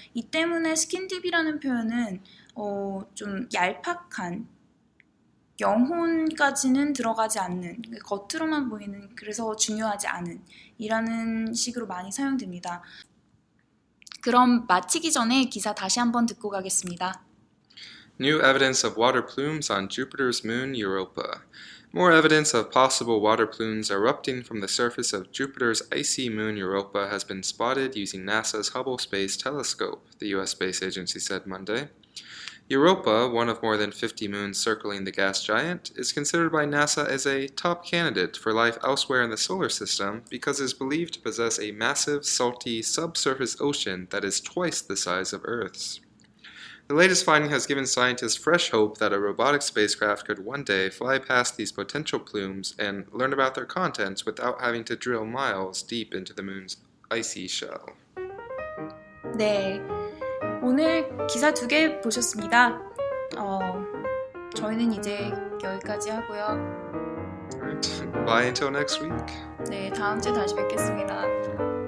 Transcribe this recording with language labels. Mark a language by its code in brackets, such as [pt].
[ko] 이 때문에 skin deep이라는 표현은 좀 얄팍한 영혼까지는 들어가지 않는 겉으로만 보이는 그래서 중요하지 않은 이라는 식으로 많이 사용됩니다. 그럼 마치기 전에 기사 다시 한번 듣고 가겠습니다. [en] New evidence of water plumes on Jupiter's moon Europa. More evidence of possible water plumes erupting from the surface of Jupiter's icy moon Europa has been spotted using NASA's Hubble Space Telescope, the U.S. space agency said Monday. Europa, one of more than 50 moons circling the gas giant, is considered by NASA as a top candidate for life elsewhere in the solar system because it is believed to possess a massive, salty subsurface ocean that is twice the size of Earth's. The latest finding has given scientists fresh hope that a robotic spacecraft could one day fly past these potential plumes and learn about their contents without having to drill miles deep into the moon's icy shell. [ko] 네, 오늘 기사 두 개 보셨습니다. 저희는 이제 여기까지 하고요. [en] Bye until next week. [ko] 네, 다음 주에 다시 뵙겠습니다.